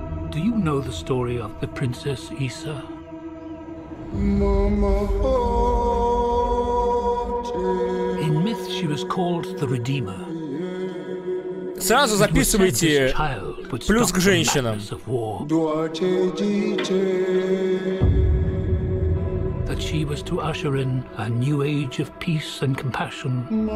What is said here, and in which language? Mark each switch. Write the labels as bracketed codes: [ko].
[en] Do you know the story of the princess Issa? Mama, in myth, she was called the Redeemer. [ru] Сразу записывайте плюс к женщинам. [en] That she was to usher in a new age of peace and compassion.